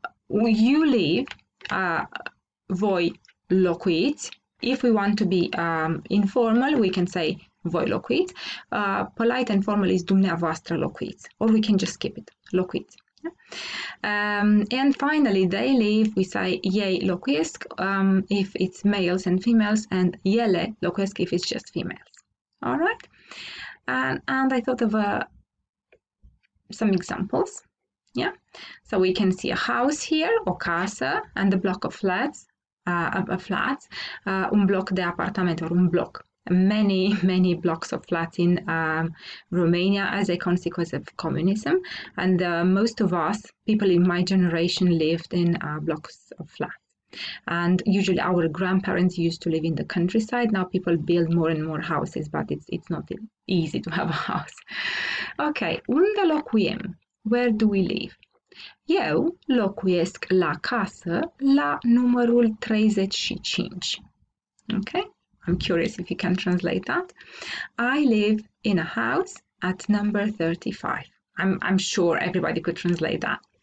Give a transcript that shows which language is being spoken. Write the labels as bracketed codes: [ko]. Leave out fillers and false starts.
[en] You live, [ro] voi locuiți. [en] If we want to be informal, we can say [ro] voi locuiți. [en] Polite and formal is [ro] dumneavoastră locuiți. [en] Or we can just skip it. Locuiți. Yeah? And finally, they live, we say [ro] ei locuiesc [en] if it's males and females, and [ro] ele locuiesc [en] if it's just females. All right? And I thought of some examples. Yeah? So we can see a house here, [ro] o casă, [en] and a block of flats. [ro] Un bloc de apartament, or un bloc. [en] Many, many blocks of flats in Romania as a consequence of communism. And most of us, people in my generation, lived in blocks of flats. And usually our grandparents used to live in the countryside. Now people build more and more houses, but it's not easy to have a house. Okay, [ro] unde locuiem? [en] Where do we live? [ro] Eu locuiesc la casă la numărul 35. [en] Okay? I'm curious if you can translate that. I live in a house at number 35. I'm sure everybody could translate that.